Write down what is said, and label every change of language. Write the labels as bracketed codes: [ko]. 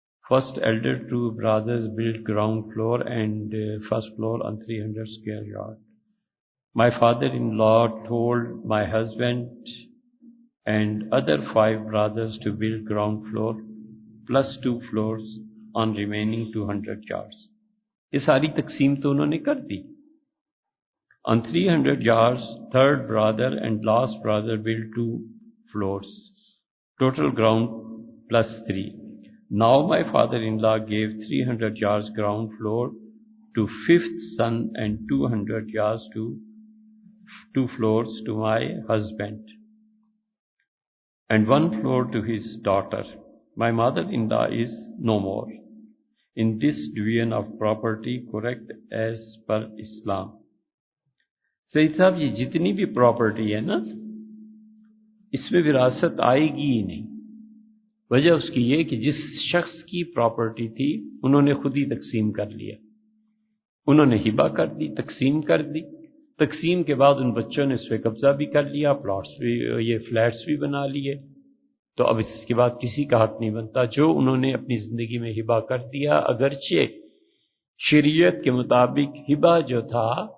[en] First elder 2 brothers build ground floor and first floor on 300 square yard. My father in law told my husband and other 5 brothers to build ground floor plus 2 floors on remaining 200 yards. [ur] یہ ساری تقسیم تو انہوں نے کر دی. [en] On 300 yards, third brother and last brother built 2 floors, total ground plus 3. Now my father-in-law gave 300 yards ground floor to 5th son and 200 yards to 2 floors to my husband and 1 floor to his daughter. My mother-in-law is no more in this division of property correct as per Islam. [ur] سید صاحب, یہ جتنی بھی property ہے نا, اس میں وراثت آئے گی ہی نہیں. وجہ اس کی یہ کہ جس شخص کی پراپرٹی تھی انہوں نے خود ہی تقسیم کر لیا, انہوں نے ہبا کر دی، تقسیم کر دی، تقسیم کے بعد ان بچوں نے اس پہ قبضہ بھی کر لیا، پلاٹس بھی، یہ فلیٹس بھی بنا لیے، تو اب اس کے بعد کسی کا حق نہیں بنتا جو انہوں نے اپنی زندگی میں ہبا کر دیا، اگرچہ شریعت کے مطابق ہبا جو تھا